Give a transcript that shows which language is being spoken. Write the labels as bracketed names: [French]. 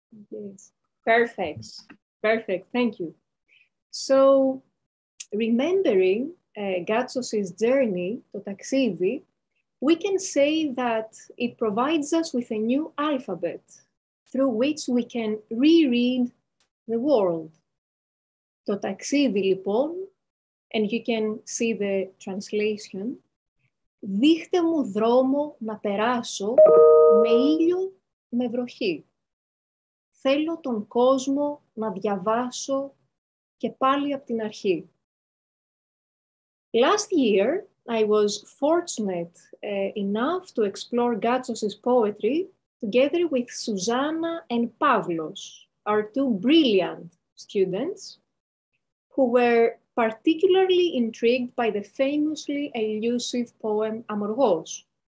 [English] Yes, perfect, yes. Perfect, thank you. So remembering Gatsos's journey, to taxivi, we can say that it provides us with a new alphabet through which we can reread the world. [Greek] To taxivi lipon, [English] and you can see the translation, [Greek] δείχτε μου δρόμο να περάσω με ήλιο, με βροχή. Θέλω τον κόσμο να διαβάσω και πάλι από την αρχή. [English] Last year, I was fortunate enough to explore Gatsos's poetry together with Susanna and Pavlos, our two brilliant students, who were particularly intrigued by the famously elusive poem Amorgos.